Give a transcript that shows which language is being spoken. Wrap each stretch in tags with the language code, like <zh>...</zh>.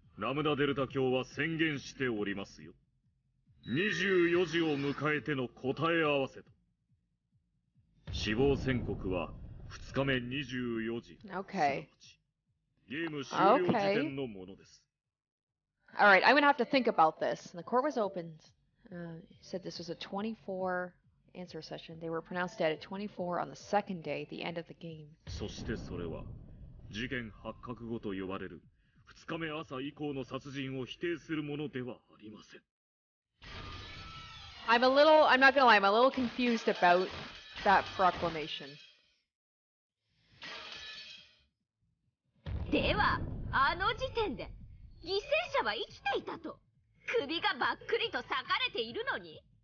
<ja>この法廷が改定した時、ラムダデルタ教は宣言しておりますよ。24時を迎えての答え合わせと。死亡宣告は2日目24時、すなわちゲーム終了時点のものです。</ja> <en>All right, I'm going to have to think about this. The court was opened. Said this was a 24 answer session. They were pronounced dead at 24 on the second day, the end of the game.</en> <ja>そしてそれは 事件発覚後と呼ばれる2日目朝以降の殺人を否定するものではありません。</ja> <en>I'm not gonna lie, I'm a little confused about that proclamation.</en> <ja>ではあの時点で犠牲者は生きていたと。首がばっくりと裂かれているのに。</ja>